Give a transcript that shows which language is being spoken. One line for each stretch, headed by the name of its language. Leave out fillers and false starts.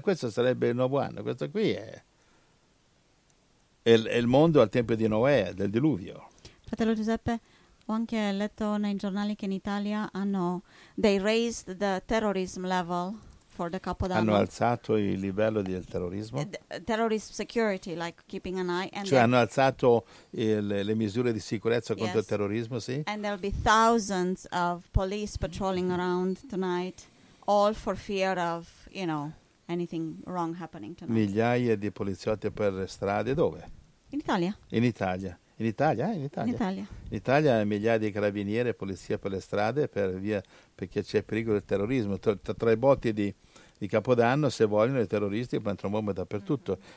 Italian: Questo sarebbe il nuovo anno. Questo qui è il mondo al tempo di Noè, del diluvio. Fratello Giuseppe, ho anche letto nei giornali che in Italia hanno
English: they raised the terrorism level. For the Capodanno.
Italian: Hanno alzato il livello del terrorismo?
English: Terrorist security, like keeping an eye. And
Italian: cioè hanno alzato le misure di sicurezza contro il terrorismo, sì?
English: And there'll be thousands of police patrolling around tonight, all for fear of, you know, anything wrong happening tonight.
Italian: Migliaia di poliziotti per le strade, dove? In Italia. In Italia. In Italia, in Italia. In Italia. In Italia migliaia di carabinieri e polizia per le strade per via, perché c'è pericolo del terrorismo. Tra i botti di Capodanno, se vogliono, i terroristi mettono bombe dappertutto. Mm-hmm.